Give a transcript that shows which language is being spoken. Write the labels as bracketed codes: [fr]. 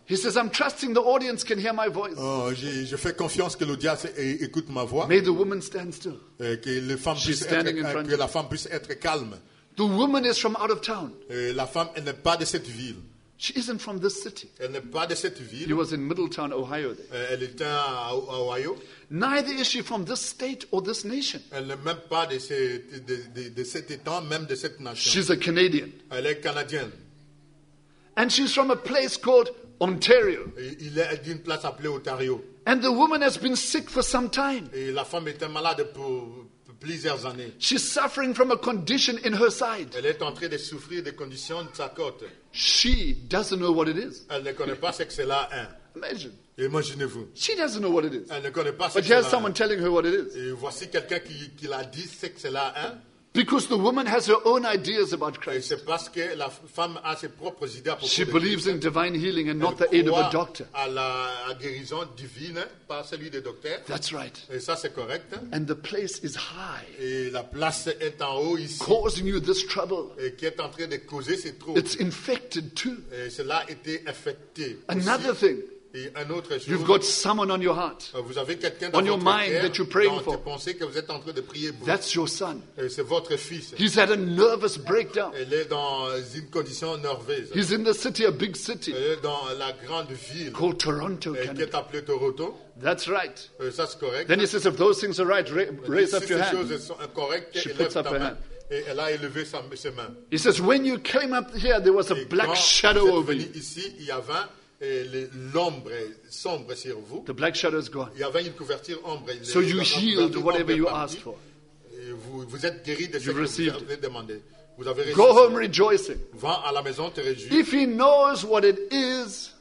[en] He says, I'm trusting the audience can hear my voice. [fr] Oh, je fais confiance que l'audience écoute ma voix. [en] May the woman stand still. [fr] Que les femmes [en] she's standing [fr] être, [en] in front [fr] que la femme puisse être calme. [en] The woman is from out of town. [fr] Et la femme, elle n'est pas de cette ville. [en] She isn't from this city. [fr] Elle n'est pas de cette ville. [en] She was in Middletown, Ohio. [fr] Elle était à Ohio. [en] Neither is she from this state or this nation. [fr] Elle n'est même pas de cet état, même de cette nation. [en] She's a Canadian. [fr] Elle est canadienne. [en] And she's from a place called Ontario. [fr] Il est d'une place appelée Ontario. [en] And the woman has been sick for some time. [fr] Et la femme était malade pour plusieurs années. [en] She's suffering from a condition in her side. [fr] Elle est en train de souffrir des conditions de sa côte. [en] She doesn't know what it is. [fr] Elle ne connaît pas ce que c'est là. Hein. Imaginez-vous. [en] She doesn't know what it is. [fr] Elle ne connaît pas [en] but [fr] ce que c'est là. [en] But here's someone telling her what it is. [fr] Et voici quelqu'un qui l'a dit ce que c'est là. Hein. [en] Because the woman has her own ideas about Christ. [fr] C'est parce que la femme a ses propres idées à propos de [en] Christ. She believes in divine healing and not the aid of a doctor. [fr] À la guérison divine, pas celui des docteurs. [en] That's right. [fr] Et ça, c'est correct. [en] And the place is high. [fr] Et la place est en haut ici. [en] Causing you this trouble. [fr] Et qui est en train de causer ces troubles. [en] It's infected too. [fr] Et cela a été infecté. [en] Another [fr] aussi. [en] Thing. [fr] Et un autre jour, [en] you've got someone on your heart, [fr] vous avez quelqu'un [en] on your mind that you're praying for. [fr] Que vous êtes en train de prier pour. [en] That's your son. [fr] Et c'est votre fils. [en] He's had a nervous breakdown. [fr] Il est dans une condition nerveuse. [en] He's in the city, a big city. [fr] Il est dans la grande ville. [en] Called Toronto, [fr] et qui est appelé Toronto. [en] That's right. [fr] Ça, c'est correct. [en] Then he says, if those things are right, raise [fr] si [en] up your hand. She puts up her hand. [fr] Et elle a élevé ses mains. [en] He says, when you came up here, there was [fr] et [en] a black shadow over you. [fr] Ici, il y avait et l'ombre est sombre sur vous. [en] The black shadow is gone. [fr] Il y avait une couverture ombre. [en] So you healed whatever you asked for. [fr] Et vous êtes guéri de ce que vous avez demandé. Vous avez [en] go home rejoicing. [fr] Va à la maison, te réjouis. [en] If he knows what it is,